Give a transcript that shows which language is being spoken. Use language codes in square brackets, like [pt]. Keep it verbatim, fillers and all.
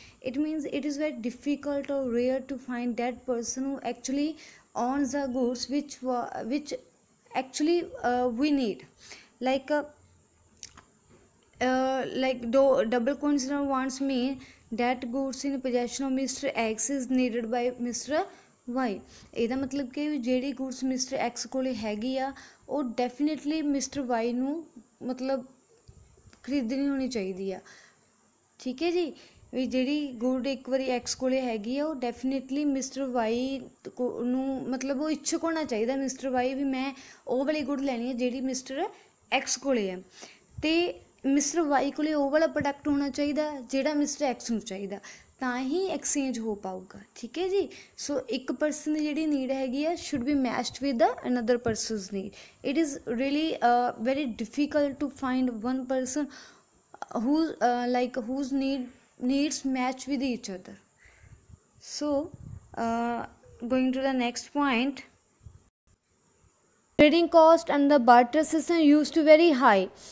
[en] It means it is very difficult or rare to find that person who actually owns the goods which wa- which actually uh, we need. Like uh, uh, like do, double coincidence wants mean that goods in possession of mister X is needed by mister Y. [pa] ਇਹਦਾ ਮਤਲਬ ਕਿ ਵੀ ਜਿਹੜੀ goods mister X ਕੋਲੇ ਹੈਗੀ ਆ ਉਹ definitely mister Y ਨੂੰ ਮਤਲਬ ਖਰੀਦਣੀ ਹੋਣੀ ਚਾਹੀਦੀ ਆ, ਠੀਕ ਹੈ ਜੀ. ਵੀ ਜਿਹੜੀ ਗੁੱਡ ਇੱਕ ਵਾਰੀ ਐਕਸ ਕੋਲੇ ਹੈਗੀ ਆ ਉਹ ਡੈਫੀਨਿਟਲੀ ਮਿਸਟਰ ਵਾਈ ਨੂੰ ਮਤਲਬ ਉਹ ਇੱਛੁਕ ਹੋਣਾ ਚਾਹੀਦਾ ਮਿਸਟਰ ਵਾਈ ਵੀ ਮੈਂ ਉਹ ਵਾਲੀ ਗੁੱਡ ਲੈਣੀ ਹੈ ਜਿਹੜੀ ਮਿਸਟਰ ਐਕਸ ਕੋਲੇ ਹੈ, ਤੇ ਮਿਸਟਰ ਵਾਈ ਕੋਲੇ ਉਹ ਵਾਲਾ ਪ੍ਰੋਡਕਟ ਹੋਣਾ ਚਾਹੀਦਾ ਜਿਹੜਾ ਮਿਸਟਰ ਐਕਸ ਨੂੰ ਚਾਹੀਦਾ, ਤਾਂ ਹੀ ਐਕਸਚੇਂਜ ਹੋ ਪਾਊਗਾ, ਠੀਕ ਹੈ ਜੀ. [en] so [pa] ਇੱਕ ਪਰਸਨ ਦੀ ਜਿਹੜੀ ਨੀਡ ਹੈਗੀ ਆ [en] Should be matched with the another person's need. It is really very difficult to find one person who uh, like whose need needs match with each other. So uh, going to the next point, trading cost and the barter system used to very high.